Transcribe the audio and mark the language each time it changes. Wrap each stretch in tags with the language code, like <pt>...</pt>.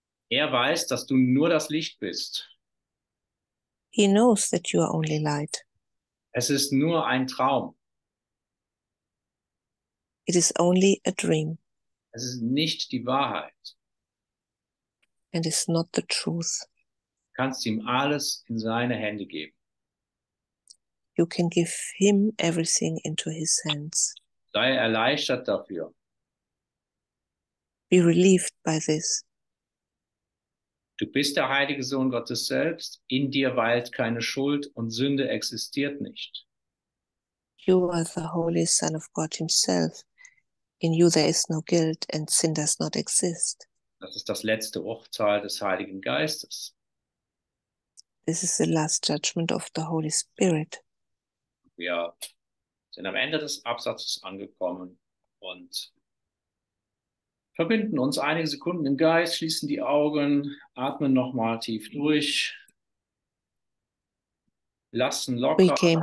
<de>Er weiß, dass du nur das Licht bist.</de> <en>He knows that you are only light.</en> <de>Es ist nur ein Traum.</de> <en>It is only a dream.</en> <de>Es ist nicht die Wahrheit.</de> <en>And it's not the truth.</en> <de>Du kannst ihm alles in seine Hände geben.</de> <en>You can give him everything into his hands.</en> <de>Sei erleichtert dafür.</de> <en>Be relieved by this.</en> <de>Du bist der heilige Sohn Gottes selbst. In dir weilt keine Schuld und Sünde existiert nicht.</de> <en>You are the holy Son of God himself. In you there is no guilt and sin does not exist.</en> <de>Das ist das letzte Urteil des Heiligen Geistes.</de> <en>This is the last judgment of the Holy Spirit.</en> <de>Ja. Sind am Ende des Absatzes angekommen und verbinden uns einige Sekunden im Geist, schließen die Augen, atmen nochmal tief durch, lassen locker.</de>